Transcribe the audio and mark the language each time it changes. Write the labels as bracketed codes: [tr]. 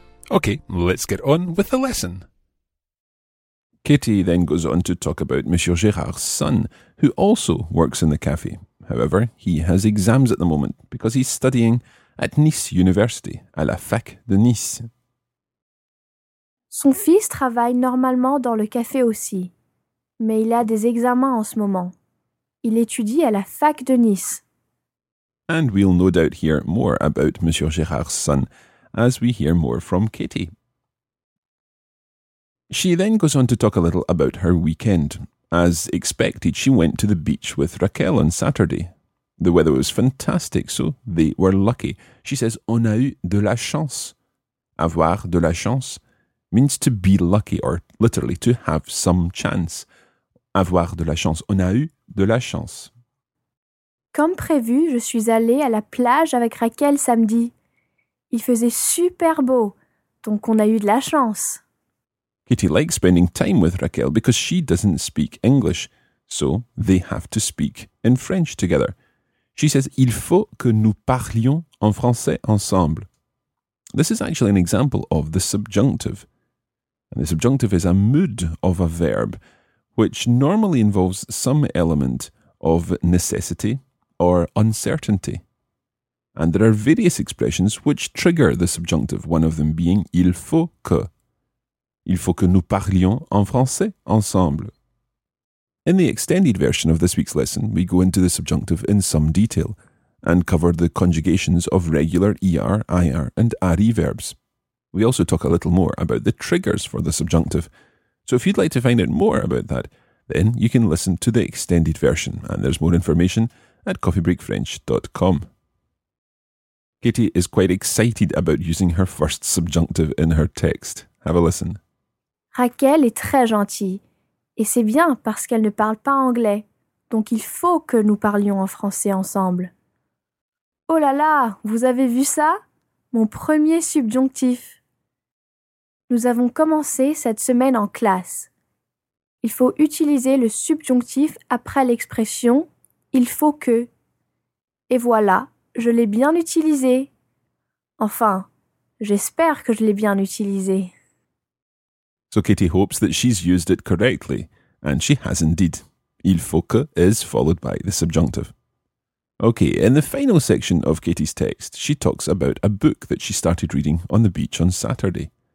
[en] Okay, let's get on with the lesson. Kitty then goes on to talk about Monsieur Gérard's son, who also works in the café. However, he has exams at the moment because he's studying at Nice University, [fr] à la Fac de Nice. Son fils travaille normalement dans le café aussi, mais il a des examens en ce moment. Il étudie à la Fac de Nice. [en] And we'll no doubt hear more about Monsieur Gérard's son as we hear more from Kitty. She then goes on to talk a little about her weekend. As expected, she went to the beach with Raquel on Saturday. The weather was fantastic, so they were lucky. She says, [fr] on a eu de la chance. Avoir de la chance [en] means to be lucky, or literally to have some chance. [fr] Avoir de la chance. On a eu de la chance. Comme prévu, je suis allée à la plage avec Raquel samedi. Il faisait super beau, donc on a eu de la chance. [en] Kitty likes spending time with Raquel because she doesn't speak English, so they have to speak in French together. She says, [fr] il faut que nous parlions en français ensemble. [en] This is actually an example of the subjunctive. And the subjunctive is a mood of a verb, which normally involves some element of necessity or uncertainty. And there are various expressions which trigger the subjunctive, one of them being [fr] il faut que. Il faut que nous parlions en français ensemble. [en] In the extended version of this week's lesson, we go into the subjunctive in some detail and cover the conjugations of regular er, ir, and re verbs. We also talk a little more about the triggers for the subjunctive. So if you'd like to find out more about that, then you can listen to the extended version. And there's more information at coffeebreakfrench.com. Kitty is quite excited about using her first subjunctive in her text. Have a listen. [fr] Raquel est très gentille. Et c'est bien parce qu'elle ne parle pas anglais. Donc il faut que nous parlions en français ensemble. Oh là là, vous avez vu ça? Mon premier subjonctif. Nous avons commencé cette semaine en classe. Il faut utiliser le subjonctif après l'expression « il faut que ». Et voilà. Je l'ai bien utilisé. Enfin, j'espère que je l'ai bien utilisé. [en] So Kitty hopes that she's used it correctly, and she has indeed. [fr] Il faut que [en] is followed by the subjunctive. Okay, in the final section of Kitty's text, she talks about a book that she started reading on the beach on Saturday.